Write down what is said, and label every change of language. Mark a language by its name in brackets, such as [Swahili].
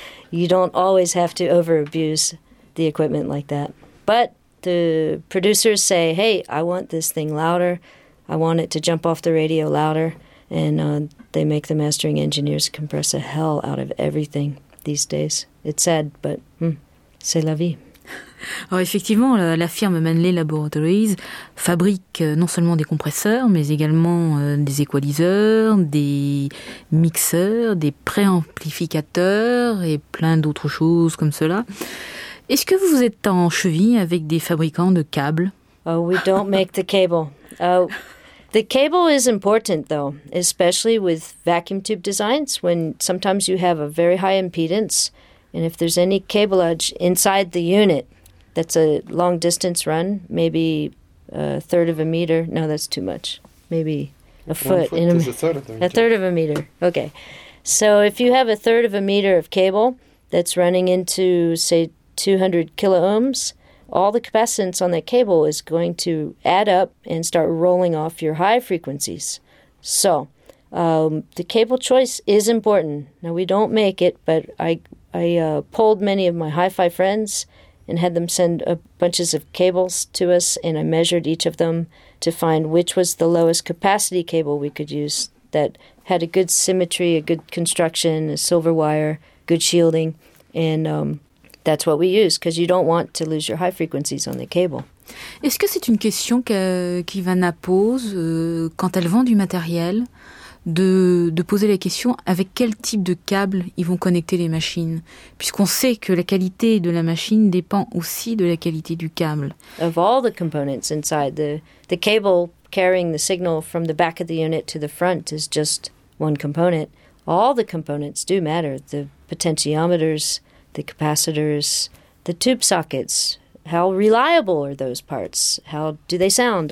[English] You don't always have to over-abuse the equipment like that. But the producers say, hey, I want this thing louder. I want it to jump off the radio louder. And they make the mastering engineers compress the hell out of everything these days. It's sad, but c'est la vie. [French] Alors effectivement, la firme Manley Laboratories fabrique non seulement des compresseurs, mais également des equaliseurs, des mixeurs, des préamplificateurs et plein d'autres choses comme cela. Est-ce que vous êtes en cheville avec des fabricants de câbles? [English] Oh, we don't make the cable. The cable is important, though, especially with vacuum tube designs, when sometimes you have a very high impedance, and if there's any cableage inside the unit, that's a long distance run, maybe a third of a meter. No, that's too much. Maybe A foot, one foot in a, is a third of a meter. A third of a meter. Okay. So if you have a third of a meter of cable that's running into, say, 200 kiloohms, all the capacitance on that cable is going to add up and start rolling off your high frequencies. So the cable choice is important. Now, we don't make it, but I polled many of my hi-fi friends and had them send bunches of cables to us, and I measured each of them to find which was the lowest capacity cable we could use that had a good symmetry, a good construction, a silver wire, good shielding, and that's what we use because you don't want to lose your high frequencies on the cable. [French] Est-ce que c'est une question qu'Ivana pose quand elle vend du matériel, de poser la question avec quel type de câble ils vont connecter les machines, puisqu'on sait que la qualité de la machine dépend aussi de la qualité du câble. [English] Of all the components inside, the cable carrying the signal from the back of the unit to the front is just one component. All the components do matter. The potentiometers, the capacitors, the tube sockets. How reliable are those parts? How do they sound?